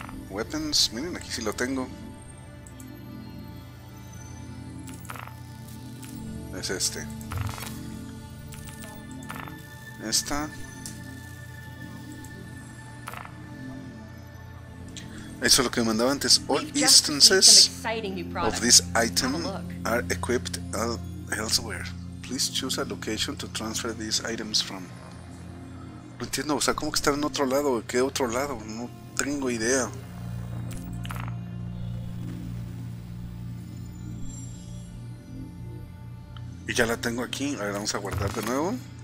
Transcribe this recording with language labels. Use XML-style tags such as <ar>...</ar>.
<es>Weapons, miren, aquí sí lo tengo. Es este. Esta. Eso es lo que me mandaba antes.</es> <en>All instances of this item are equipped elsewhere. Please choose a location to transfer these items from.</en> <es>No entiendo, o sea, ¿cómo que está en otro lado? ¿Qué otro lado? No tengo idea. Y ya la tengo aquí, a ver, vamos a guardar de nuevo.</es>